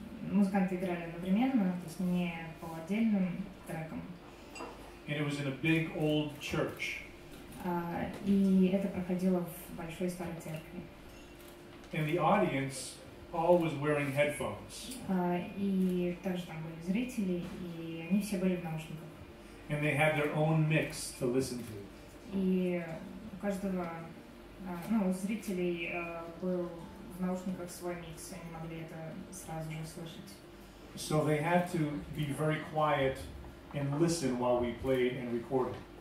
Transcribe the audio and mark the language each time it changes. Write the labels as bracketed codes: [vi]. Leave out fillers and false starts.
[ru] Музыканты играли одновременно, то есть не по отдельным трекам. [en] And it was in a big old church. [ru] И это проходило в большой старой церкви. [en] And the audience all was wearing headphones. [ru] И также там были зрители, и они все были в наушниках. [en] And they had their own mix to listen to. [ru] И у каждого, ну, у зрителей был в наушниках свой микс, они могли это сразу же слышать. [en] So they had to be very quiet and listen while we played and recorded.